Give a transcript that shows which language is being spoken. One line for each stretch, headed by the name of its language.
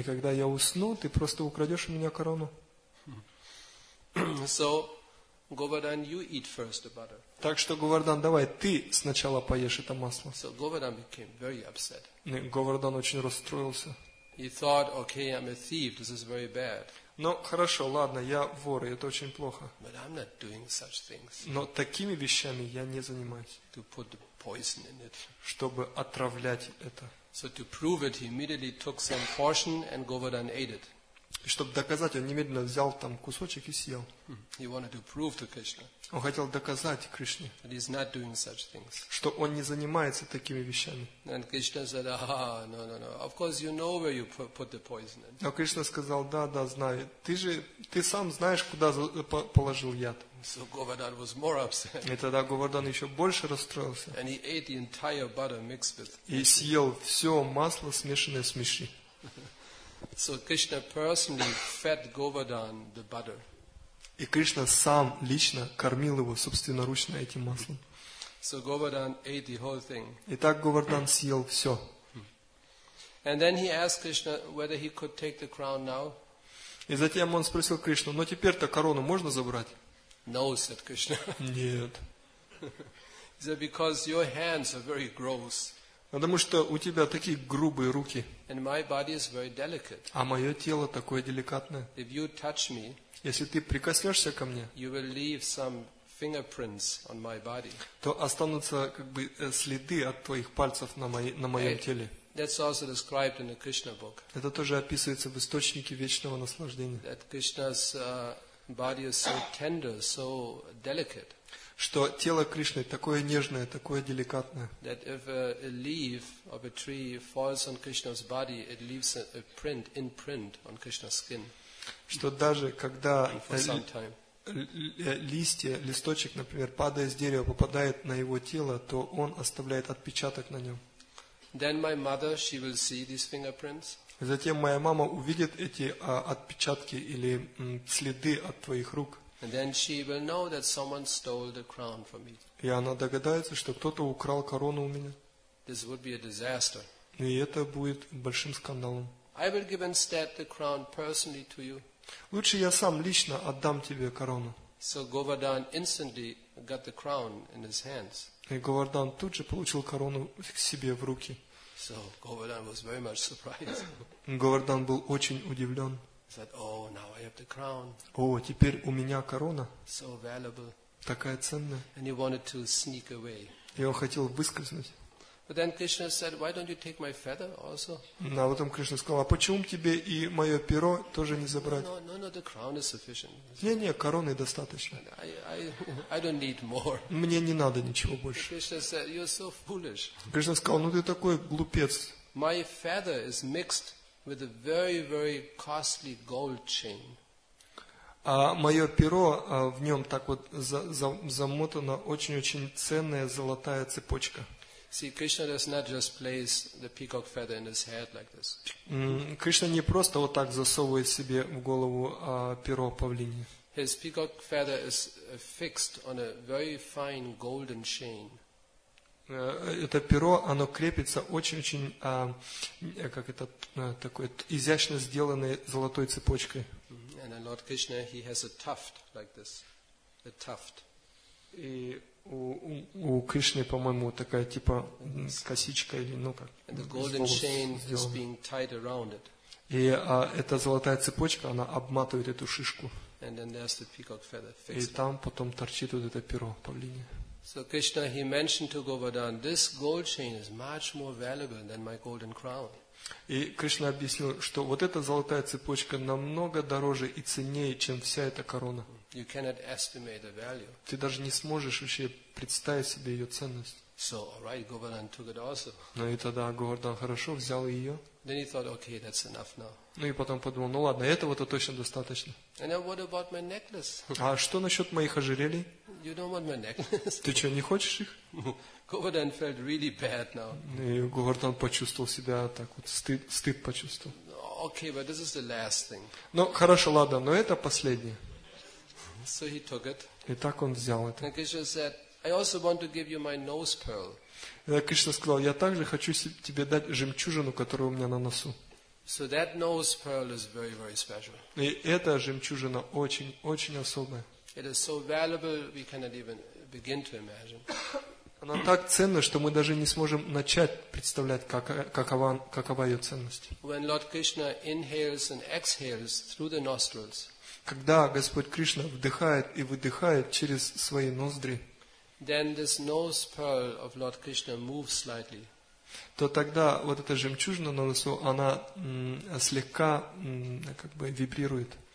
Russian: И когда я усну, ты просто украдешь у меня корону.
English: So Govardhan, you eat first the butter.
Russian: Так что, Говардхан, давай ты сначала поешь это масло.
English: So Govardhan became very upset.
Russian: Говардхан очень расстроился.
English: He thought, "Okay, I'm a thief. This is very bad."
Russian: Но хорошо, ладно, я вор, это очень плохо.
English: But I'm not doing such things.
Russian: Но такими вещами я не занимаюсь.
English: To put the poison in it.
Russian: Чтобы отравлять это.
English: So to prove it, he immediately took some portion and Govardhan ate it.
Russian: И чтобы доказать, он немедленно взял там кусочек и съел.
English: He wanted to prove to Krishna.
Russian: Он хотел доказать Кришне,
English: that he's not doing such things.
Russian: Что он не занимается такими вещами.
English: And Krishna said, no. Of course, you know where you put the poison in.
Russian: А Кришна сказал: да, знаю. Ты сам знаешь, куда положил яд.
English: So Govardhan was more upset.
Russian: И тогда Говардхан еще больше расстроился.
English: And he ate the entire butter mixed with.
Russian: И съел все масло, смешанное с миши.
English: So Krishna personally fed Govardhan the butter.
Russian: И Кришна сам лично кормил его собственноручно этим маслом.
English: So Govardhan ate the whole thing.
Russian: Итак, Говардхан съел все.
English: And then he asked Krishna whether he could take the crown now.
Russian: И затем он спросил Кришну: "Но теперь-то корону можно забрать?"
English: No, said Krishna.
Russian: Нет.
English: He said, because your hands are very gross.
Russian: Потому что у тебя такие грубые руки.
English: And my body is very delicate.
Russian: А мое тело такое деликатное.
English: If you touch me,
Russian: если ты прикоснешься ко мне,
English: you will leave some fingerprints on my body.
Russian: То останутся как бы следы от твоих пальцев на моем теле.
English: That's also described in the Krishna book.
Russian: Это тоже описывается в источнике вечного наслаждения.
English: That Krishna's body is so tender, so delicate.
Russian: Что тело Кришны такое нежное, такое деликатное.
English: That if a leaf of a tree falls on Krishna's body, it leaves a print, imprint on Krishna's skin.
Russian: Что даже когда листья, листочек, например, падая с дерева, попадает на его тело, то он оставляет отпечаток на нем.
English: Then my mother, she will see these fingerprints.
Russian: Затем моя мама увидит эти отпечатки или следы от твоих рук.
English: And then she will know that someone stole the crown from me.
Russian: И она догадается, что кто-то украл корону у меня.
English: This would be a disaster.
Russian: И это будет большим скандалом.
English: I will give instead the crown personally to you.
Russian: Лучше я сам лично отдам тебе корону.
English: So Govardhan instantly got the crown in his hands.
Russian: И Говардан тут же получил корону к себе в руки.
English: So Govardhan was very much surprised.
Russian: Говардан был очень удивлен.
English: He said, "Oh, now I have the crown."
Russian: О, теперь у меня корона.
English: So valuable.
Russian: Такая ценная.
English: And he wanted to sneak away.
Russian: И он хотел выскользнуть.
English: But then Krishna said, "Why don't you take my feather also?"
Russian: А потом Кришна сказал: "А почему тебе и мое перо тоже не забрать?"
English: No, the crown is sufficient.
Russian: Не, короны достаточно.
English: I don't need more.
Russian: Мне не надо ничего больше.
English: Krishna said, "You're so foolish."
Russian: Кришна сказал: "Ну ты такой глупец."
English: My feather is mixed with a very, very costly gold chain.
Russian: А мое перо в нем так вот замотана очень-очень ценная золотая цепочка.
English: See, Krishna does not just place the peacock feather in his head like this.
Russian: Кришна не просто вот так засовывает себе в голову перо павлиньи.
English: His peacock feather is fixed on a very fine golden chain.
Russian: Это перо, оно крепится очень-очень, как это, такой изящно сделанной золотой цепочкой.
English: And Lord Krishna, he has a tuft like this, a tuft.
Russian: И у Кришны, по-моему, такая типа косичка или ну как.
English: And the golden chain is being tied around it.
Russian: И эта золотая цепочка, она обматывает эту шишку.
English: And then there's the peacock feather fixed.
Russian: И там потом торчит вот это перо павлинье.
English: So Krishna, he mentioned to Govardhan, this gold chain is much more valuable than my golden crown.
Russian: И Кришна объяснил, что вот эта золотая цепочка намного дороже и ценнее, чем вся эта корона.
English: You cannot estimate the value.
Russian: Ты даже не сможешь вообще представить себе ее ценность.
English: So, all right, Govardhan took it also.
Russian: Ну и тогда Говардхан хорошо взял ее.
English: Then he thought, okay, that's enough now.
Russian: Ну и потом подумал, ну ладно, этого-то точно достаточно.
English: And then what about my necklace?
Russian: А что насчет моих ожерелий?
English: You don't want my necklace.
Russian: Ты что, не хочешь их?
English: Govardhan felt really bad now.
Russian: И Говардхан почувствовал себя так вот, стыд почувствовал.
English: Okay, but this is the last thing.
Russian: Ну хорошо, ладно, но это последнее.
English: So he took it.
Russian: И так он взял это.
English: And Krishna said, I also want to give you my nose pearl.
Russian: Кришна сказал, я также хочу тебе дать жемчужину, которая у меня на носу.
English: So that nose pearl is very, very special.
Russian: И эта жемчужина очень-очень особая.
English: It is so valuable we cannot even begin to imagine.
Russian: Она так ценна, что мы даже не сможем начать представлять, какова ее ценность.
English: When Lord Krishna inhales and exhales through the nostrils.
Russian: Когда Господь Кришна вдыхает и выдыхает через свои ноздри,
English: then this nose pearl of Lord Krishna moves slightly.
Russian: То тогда вот эта жемчужина на носу, она слегка как бы вибрирует.